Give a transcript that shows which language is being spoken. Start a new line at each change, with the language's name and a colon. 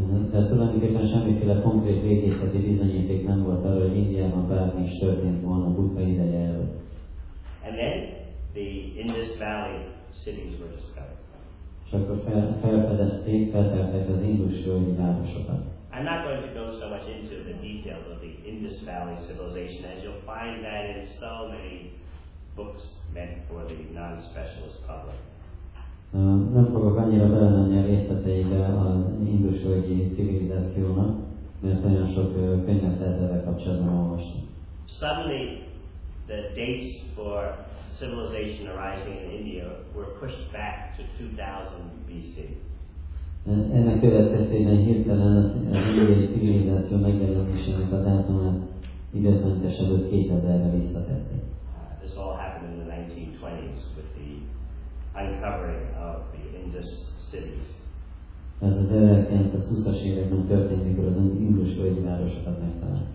Hungarian: Tehát tulajdonképpen semmiféle konkrét régészeti bizonyíték nem volt arra, hogy Indiában bármi is történt volna Buddha ideje előtt.
English: And then the Indus Valley cities were discovered.
Hungarian: És akkor felfedezték az Indus-völgyi városokat.
English: I'm not going to go so much into the details of the Indus Valley civilization as you'll find that in so many books meant for the non-specialist public.
Hungarian: Nem fogok annyira belemenni a részleteibe az Indus-völgyi civilizációnak, mert nagyon sok könyvet ezzel kapcsolatban olvastam.
English: Suddenly the dates for civilization arising in India were pushed back to 2000 BC.
Hungarian: Ennek következtében hirtelen az indiai civilizáció megjelenésének a dátumát időszámításában 2000-re visszatették.
English: This all happened in the 1920s with the uncovering of the Indus cities.
Hungarian: Ez az 1920-as években történt, mikor az Indus-völgyi városokat megtalálták.